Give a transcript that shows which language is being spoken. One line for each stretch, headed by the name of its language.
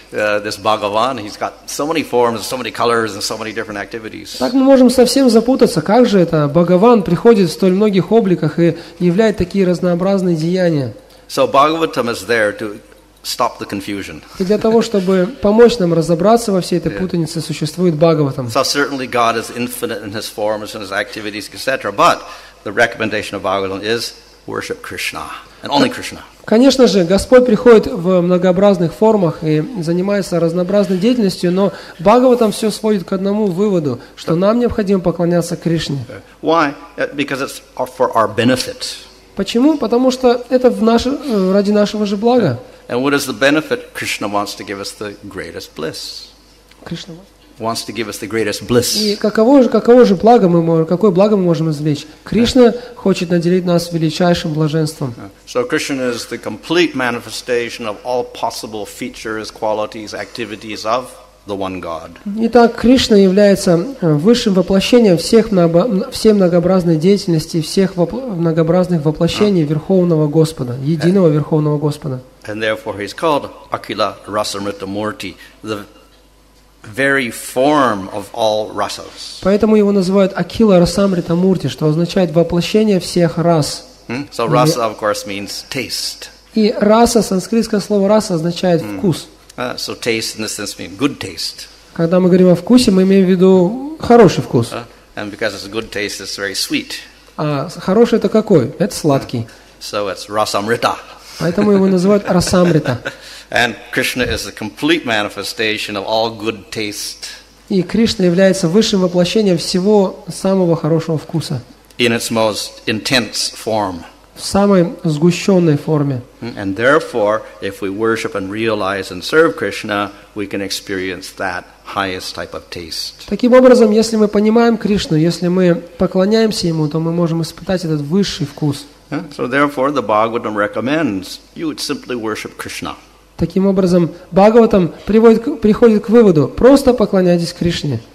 English: This Bhagavan, he's got so many forms, so many colors, and so many different activities.
Russian: Так мы можем совсем запутаться, как же это Бхагаван приходит в столь многих обликах и являет такие разнообразные деяния.
English: So Bhagavatam is there to stop the confusion.
Russian: И для того, чтобы помочь нам разобраться во всей этой путанице, существует Бхагаватам.
English: So certainly God is infinite in His forms and His activities, etc. But the recommendation of Bhagavatam is worship Krishna and only Krishna.
Russian: Конечно же, Господь приходит в многообразных формах и занимается разнообразной деятельностью, но Бхагаватам все сводит к одному выводу, что нам необходимо поклоняться Кришне.
English: Why? Because it's for our benefit.
Russian: Почему? Потому что это ради нашего же блага.
English: And what is the benefit? Krishna wants to give us the greatest bliss. Krishna wants to give us the greatest bliss.
Russian: И каково же благо мы можем, какое благо мы можем извлечь? Кришна хочет наделить нас величайшим блаженством.
English: So Krishna is the complete manifestation of all possible features, qualities, activities of the one God.
Russian: Итак, Кришна является высшим воплощением всей многообразной деятельности, всех многообразных воплощений Верховного Господа, единого Верховного Господа.
English: And therefore he's called Akila Rasamrita Murti, the very form of all rasas.
Russian: Поэтому его называют Акила Расамрита Мурти, что означает воплощение всех рас.
English: So rasa of course means taste.
Russian: И раса, санскритское слово раса означает вкус.
English: So taste in this sense means good taste.
Russian: Когда мы говорим о вкусе, мы имеем в виду хороший вкус.
English: And because it's a good taste, it's very sweet.
Russian: А хороший это какой? Это сладкий.
English: So it's Rasamrita.
Russian: Поэтому его называют Расамрита.
English: And Krishna is the complete manifestation of all good taste.
Russian: И Кришна является высшим воплощением всего самого хорошего вкуса.
English: In its most intense form.
Russian: В самой сгущенной форме.
English: And therefore, if we worship and realize and serve Krishna, we can experience that highest type of taste.
Russian: Таким образом, если мы понимаем Кришну, если мы поклоняемся ему, то мы можем испытать этот высший вкус.
English: So therefore, the Bhagavatam recommends you would simply worship Krishna.
Russian: Таким образом, Бхагаватам приходит к выводу: просто поклоняйтесь Кришне.